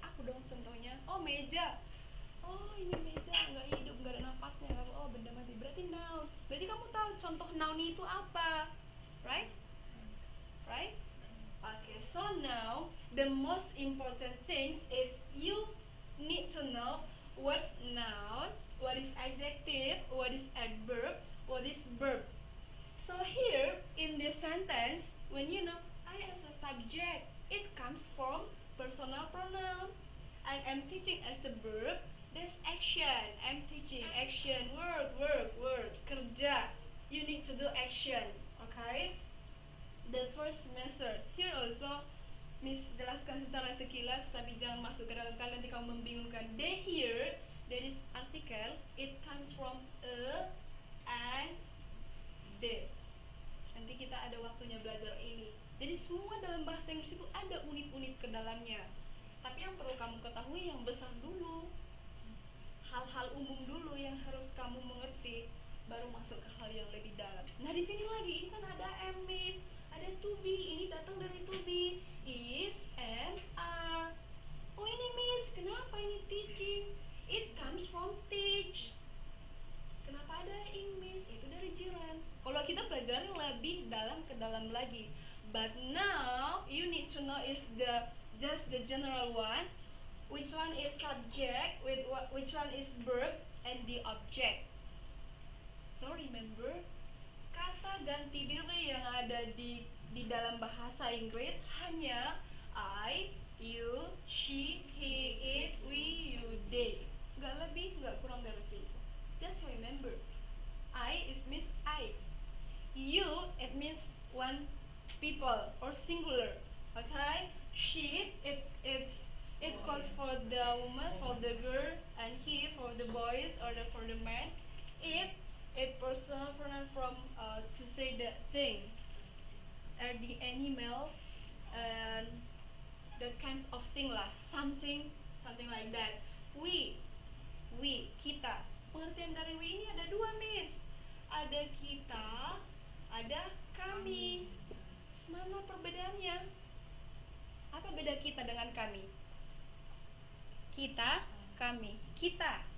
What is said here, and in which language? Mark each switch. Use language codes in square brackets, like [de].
[id] Aku dong contohnya, oh meja. Oh ini meja, nggak hidup, nggak ada nafasnya. Lalu, oh benda mati, berarti noun. Berarti kamu tahu contoh noun itu apa. [en] Right? Right? Okay, so now, the most important things is you need to know what's noun, what is adjective, what is adverb, what is verb. So here, in this sentence, when you know I as a subject, it comes from personal pronoun. I am teaching as a verb, that's action. I'm teaching, action, work, work, work, kerja. You need to do action, okay? The first semester, here also, [id] Miss jelaskan secara sekilas, tapi jangan masuk ke dalam kalian, nanti kamu membingungkan. [en] They here, there is article, it comes from a, and, the. [id] Nanti kita ada waktunya belajar ini. Jadi semua dalam bahasa Inggris itu ada unit-unit ke dalamnya. Tapi yang perlu kamu ketahui yang besar dulu. Hal-hal umum dulu yang harus kamu mengerti, baru masuk ke hal yang lebih dalam. Nah di sini lagi, ini kan ada am, miss. Ada to be, ini datang dari to be. Is, am, are. Oh ini miss, kenapa ini teaching? [en] It comes from teach. [id] Kenapa ada ing miss? Itu dari jiran. Kalau kita belajar lebih dalam ke dalam lagi. [en] But now, you need to know is the just the general one. Which one is subject, with what, which one is verb, and the object. So remember, [id] kata ganti diri yang ada di dalam bahasa Inggris hanya I, you, she, he, it, we, you, they. Gak lebih, gak kurang dari situ. [en] Just remember, I is means I. You, it means one people or singular. Okay? She, it calls for the woman, for the girl, and he for the boys or the for the man. It, it personal pronoun from to say the thing, or the animal, and that kinds of thing lah, something like that. We, [id] kita. Pengertian dari we ini ada dua, miss. Ada kita, ada kami. Mana perbedaannya? Apa beda kita dengan kami? Kita, kami, kita.